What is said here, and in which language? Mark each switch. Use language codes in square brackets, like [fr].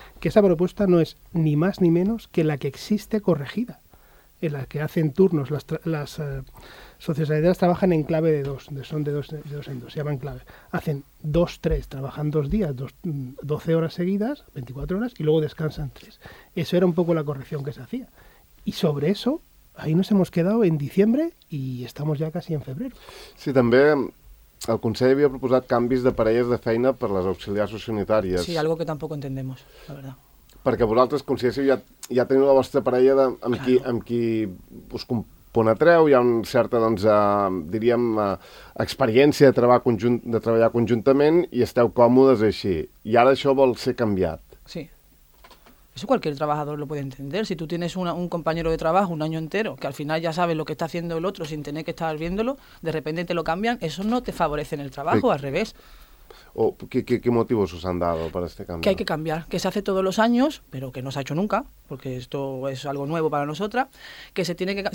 [es] Que esa propuesta no es ni más ni menos que la que existe corregida, en la que hacen turnos las sociosanitarias trabajan en clave de 2, son de dos en dos, se llaman clave. Hacen 2-3, trabajan 2 días, 12 horas seguidas, 24 horas, y luego descansan 3. Eso era un poco la corrección que se hacía. Y sobre eso, ahí nos hemos quedado en diciembre y estamos ya casi en febrero. [ca] Sí, també el Consell havia proposat canvis de parelles de feina per les auxiliars sociosanitàries. [es] Sí, algo que tampoco entendemos, la verdad. [ca] Perquè vosaltres, consellers, ja teniu la vostra parella amb qui us punt a treu, hi ha una certa, doncs, diríem, experiència de treballar, conjuntament i esteu còmodes així. I ara això vol ser canviat. Sí. [es] Eso cualquier trabajador lo puede entender. Si tú tienes un compañero de trabajo un año entero, que al final ya sabes lo que está haciendo el otro sin tener que estar viéndolo, de repente te lo cambian, eso no te favorece en el trabajo, al revés. ¿Qué motivos os han dado para este cambio? Que hay que cambiar, que se hace todos los años, pero que no se ha hecho nunca, porque esto es algo nuevo para nosotras, que se tiene que...